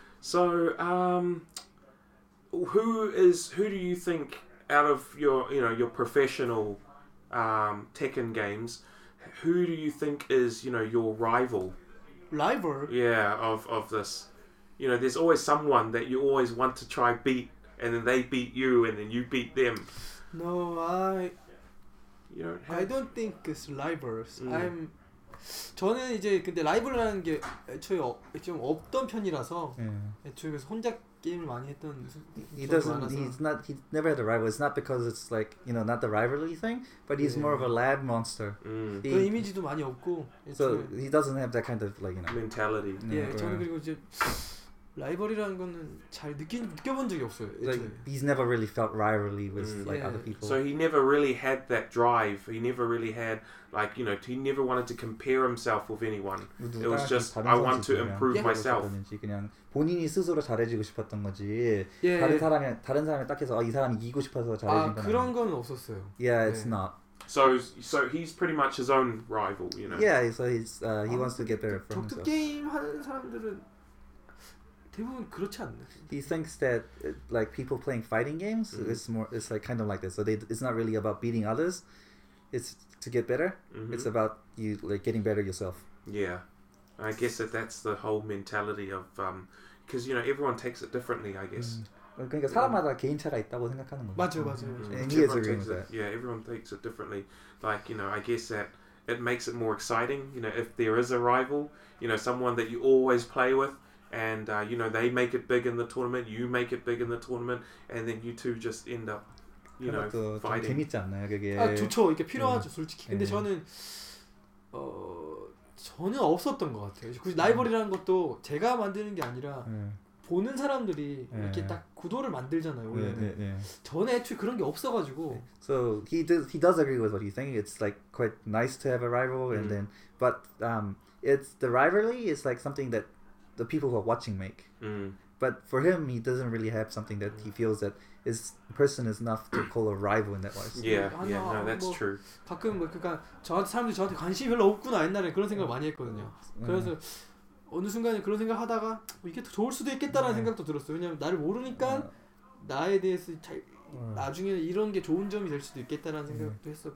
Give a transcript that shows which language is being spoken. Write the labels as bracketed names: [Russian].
[English] So who do you think out of your you know your professional Tekken games, who do you think is you know your rival? Rival? Yeah, of this, you know, there's always someone that you always want to try beat, and then they beat you, and then you beat them. No, I. I don't think it's rivals. I'm [Korean] 저는 이제 근데 라이벌이라는 게 애초에 좀 없던 편이라서 애초에 그래서 혼자 게임을 많이 했던 [English] He never had a rival. It's not because it's like, you know, not the rivalry thing, but he's more of a lab monster. [Korean] 그런 이미지도 많이 없고 [English] So he doesn't have that kind of like, you know, mentality. [Korean] 예, 저는 그리고 이제 라이벌이라는 거는 잘 느껴본 적이 없어요. [English] Like, he's never really felt rivalry with like other people. So he never really had that drive. He never really had like, you know, he never wanted to compare himself with anyone. It was just I want to improve myself. [Korean] 그냥 본인이 스스로 잘해지고 싶었던 거지. 다른 사람이 딱 해서 이 사람이 이기고 싶어서 잘해진 건 아니야. 그런 건 없었어요. [English] Yeah, it's not. So he's pretty much his own rival, you know. Yeah, so he's he wants to get better from himself. [Korean] 격투 게임 하는 사람들은 대부분 그렇지 않나. [English] He thinks that like people playing fighting games it's like kind of like this. So it's not really about beating others. It's to get better. It's about you like getting better yourself. Yeah. I guess that's the whole mentality of because you know everyone takes it differently, I guess. [Korean] 그러니까 사람마다 개인차가 있다고 생각하는 거죠. 맞아요. [English] He is agreeing with that. Yeah, everyone takes it differently. Like, you know, I guess that it makes it more exciting, you know, if there is a rival, you know, someone that you always play with. And you know they make it big in the tournament. You make it big in the tournament, and then you two just end up, you know, fighting. [Korean] 재밌지 않나요, 그게? 아, 좋죠. 이게 필요하죠, 솔직히. 근데 저는 전혀 없었던 것 같아요. 굳이 라이벌이라는 것도 제가 만드는 게 아니라 보는 사람들이 이렇게 딱 구도를 만들잖아요. 전에 애초에 그런 게 없어가지고. [English] So he does agree with what he's saying. It's like quite nice to have a rival, and then but it's the rivalry is like something that. The people who are watching make. But for him, he doesn't really have something that he feels that his person is enough to call a rival in that way. Yeah, no, that's true. [Korean] 가끔 뭐 그러니까 저한테 사람들이 저한테 관심이 별로 없구나 옛날에 그런 생각을 많이 했거든요. 그래서 어느 순간에 그런 생각 하다가 이게 더 좋을 수도 있겠다라는 생각도 들었어요. 왜냐하면 나를 모르니까 나에 대해서 잘 나중에는 이런 게 좋은 점이 될 수도 있겠다라는 생각도 했었고.